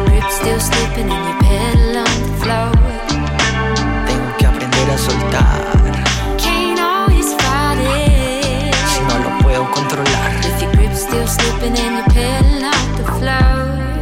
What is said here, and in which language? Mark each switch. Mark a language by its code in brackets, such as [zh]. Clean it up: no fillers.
[en] Still sleeping in your pillow on the floor. [es] Tengo que aprender a soltar. [en] Can't always fight it. [es] Si no lo puedo controlar. [en] With your grip still sleeping in your pillow on the floor.